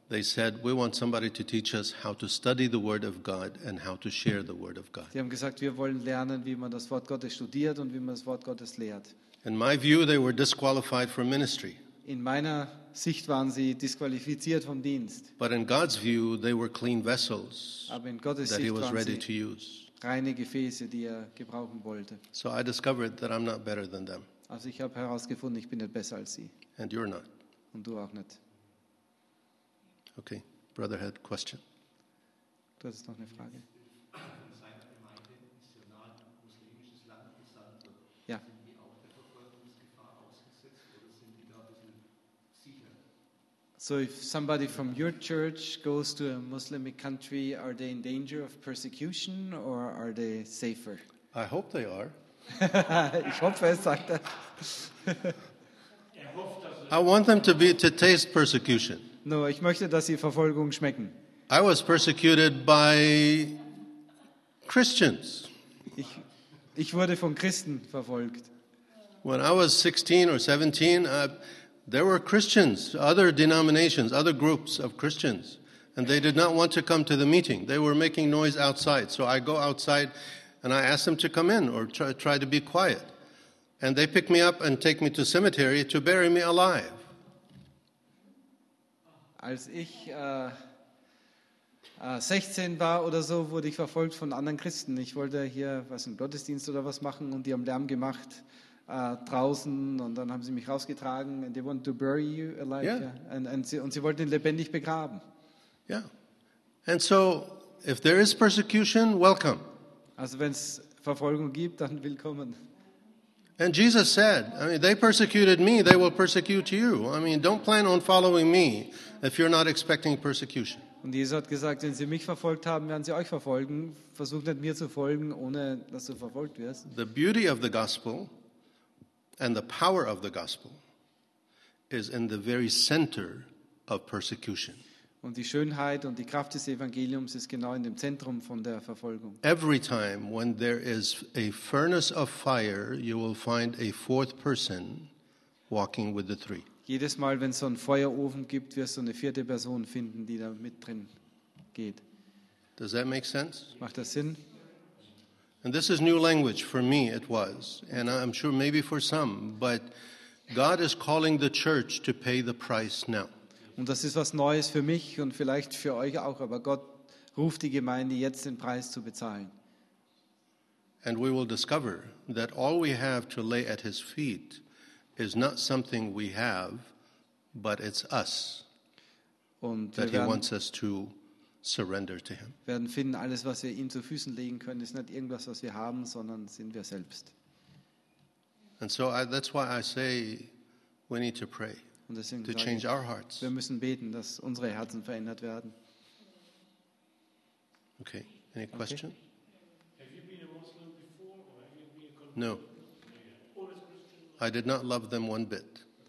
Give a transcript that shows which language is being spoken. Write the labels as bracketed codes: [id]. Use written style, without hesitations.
[en] They said, we want somebody to teach us how to study the Word of God and how to share the Word of God. [de] Die haben gesagt, wir wollen lernen, wie man das Wort Gottes studiert und wie man das Wort Gottes lehrt. [en] In my view, they were disqualified from ministry. [de] In meiner Sicht waren sie disqualifiziert vom Dienst. [en] But in God's view, they were clean vessels [de] Aber in Gottes [en] that [de] Sicht [en] he was [de] waren [en] ready [de] sie [en] to use. [de] Reine Gefäße, die er gebrauchen wollte. [en] So I discovered that I'm not better than them. [de] Also ich habe herausgefunden, ich bin nicht besser als sie. [en] And you're not. [de] Und du auch nicht. [en] Okay, brother had a question. [de] Du hast noch eine Frage. [en] So if somebody from your church goes to a Muslim country, are they in danger of persecution or are they safer? I hope they are. [de] Ich hoffe, er sagt er. [en] I want them to taste persecution. [de] No, ich möchte, dass sie Verfolgung schmecken. [en] I was persecuted by Christians. [de] Ich, Ich wurde von Christen verfolgt. [en] When I was 16 or 17, there were Christians, other denominations, other groups of Christians, and they did not want to come to the meeting. They were making noise outside. So I go outside and I ask them to come in or try to be quiet. And they pick me up and take me to cemetery to bury me alive. [de] Als ich 16 war oder so, wurde ich verfolgt von anderen Christen. Ich wollte hier was im Gottesdienst oder was machen und die haben Lärm gemacht draußen und dann haben sie mich rausgetragen [en] and they want to bury you alive. Yeah. Yeah. [de] Und sie wollten ihn lebendig begraben. [en] Yeah. And so if there is persecution, welcome. [de] Also wenn es Verfolgung gibt, dann willkommen. [en] And Jesus said, I mean, they persecuted me, they will persecute you. I mean, don't plan on following me if you're not expecting persecution. [de] Und Jesus hat gesagt, wenn sie mich verfolgt haben, werden sie euch verfolgen. Versuch nicht mir zu folgen, ohne dass du verfolgt wirst. [en] The beauty of the gospel and the power of the gospel is in the very center of persecution. [de] Und die Schönheit und die Kraft des Evangeliums ist genau in dem Zentrum von der Verfolgung. [en] Every time when there is a furnace of fire, you will find a fourth person walking with the three. [de] Jedes Mal, wenn es so einen Feuerofen gibt, wirst du eine vierte Person finden, die da mit drin geht. [en] Does that make sense? [de] Macht das Sinn? [en] And this is new language for me, it was. And I'm sure maybe for some. But God is calling the church to pay the price now. [de] Und das ist was Neues für mich und vielleicht für euch auch. Aber Gott ruft die Gemeinde jetzt den Preis zu bezahlen. [en] And we will discover that all we have to lay at his feet is not something we have, but it's us that he wants us to surrender to him. [de] Wir werden finden, alles, was wir ihm zu Füßen legen können, ist nicht irgendwas, was wir haben, sondern sind wir selbst. [en] And so that's why I say we need to pray to change our hearts. [de] Wir müssen beten, dass unsere Herzen verändert werden. [en] Okay. Any question? Have you been a Muslim before, or have you been a Christian? No. I did not love them one bit.